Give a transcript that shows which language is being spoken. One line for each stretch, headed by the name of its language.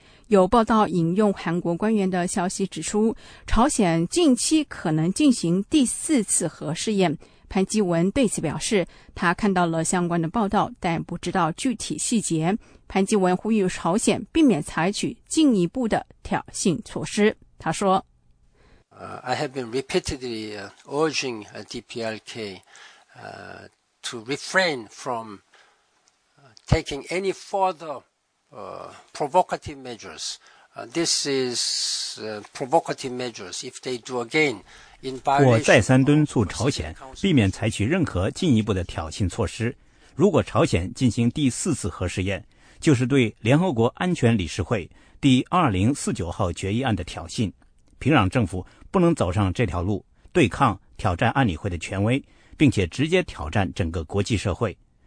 Chinese: 有报道引用韩国官员的消息指出，朝鲜近期可能进行第四次核试验。潘基文对此表示，他看到了相关的报道，但不知道具体细节。潘基文呼吁朝鲜避免采取进一步的挑衅措施。他说
English: I have been repeatedly urging DPRK to refrain from taking any further provocative measures. This is provocative measures if they do again in violation.
Chinese: 我再三敦促朝鲜避免采取任何进一步的挑衅措施。如果朝鲜进行第四次核试验，就是对联合国安全理事会第2049号决议案的挑衅。平壤政府不能走上这条路，对抗挑战安理会的权威，并且直接挑战整个国际社会。